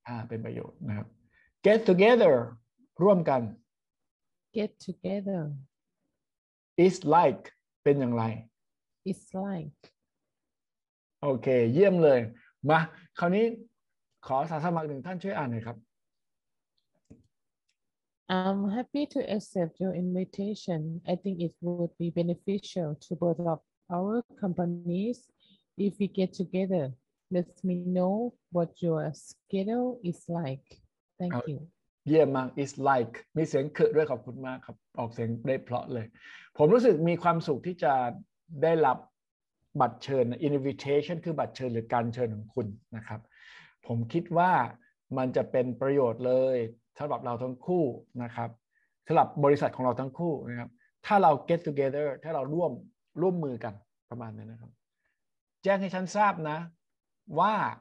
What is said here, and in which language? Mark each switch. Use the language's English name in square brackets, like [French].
[Thai] เป็นประโยชน์นะครับ get together ร่วมกัน [English] get together is like [Thai] เป็นอย่างไร [English] is like [Thai] โอเคเยี่ยมเลยมาคราวนี้ขอสาสมัครหนึ่งท่านช่วยอ่านหน่อยครับ [English] I'm happy to accept your invitation I think it would be beneficial to both of our companiesIf we get together, let me know what your schedule is like. Thank you. Yeah, man, it's like. [Thai] มีเสียงเคอะด้วยขอบคุณมากครับออกเสียงได้เพราะเลยผมรู้สึกมีความสุขที่จะได้รับบัตรเชิญ invitation คือบัตรเชิญหรือการเชิญของคุณนะครับผมคิดว่ามันจะเป็นประโยชน์เลยสำหรับเราทั้งคู่นะครับสำหรับบริษัทของเราทั้งคู่นะครับถ้าเรา get together ถ้าเราร่วมมือกันประมาณนี้นะครับแจ้งให้ฉันทราบนะว่า